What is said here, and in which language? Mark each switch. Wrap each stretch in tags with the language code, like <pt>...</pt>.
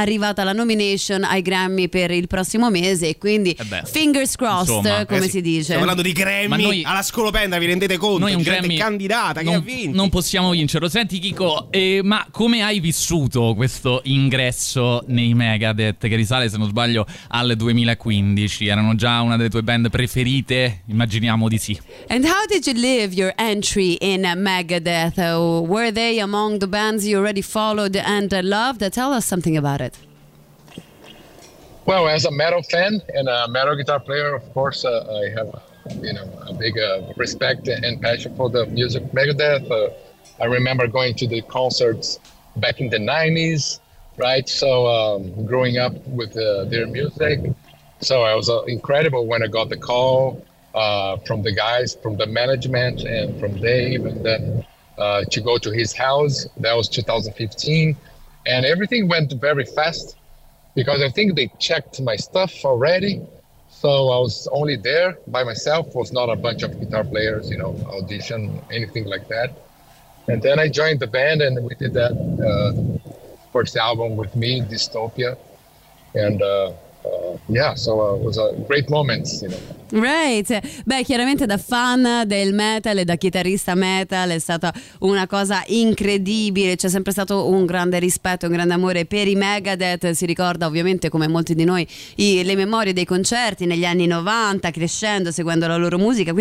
<it>arrivata la nomination ai Grammy per il prossimo mese, quindi</it> <en>fingers crossed,</en> <it>insomma, come si dice. Stiamo parlando di Grammy, noi, alla Scolopendra, vi rendete conto? Noi un Grammy candidata, non, che ha vinto. Non possiamo vincerlo. Senti Chico, ma come hai vissuto questo ingresso nei Megadeth, che risale, se non sbaglio, al 2015? Erano già una delle tue band preferite? Immaginiamo di sì.</it> <en>And how did you live your entry in Megadeth? Were they among the bands you already followed and loved? Tell us something about it. Well, as a metal fan and a metal guitar player, of course, I have, you know, a big respect and passion for the music Megadeth. I remember going to the concerts back in the 90s, right? So growing up with their music. So I was incredible when I got the call from the guys, from the management and from Dave, and then to go to his house. That was 2015. And everything went very fast because I think they checked my stuff already. So I was only there by myself. It was not a bunch of guitar players, you know, audition, anything like that. And then I joined the band and we did that first album with me, Dystopia. And it was a great moment, you know. Right.</en> <it>Beh, chiaramente da fan del metal e da chitarrista metal è stata una cosa incredibile. C'è sempre stato un grande rispetto, un grande amore per i Megadeth. Si ricorda ovviamente, come molti di noi, le memorie dei concerti negli anni 90, crescendo, seguendo la loro musica.</it>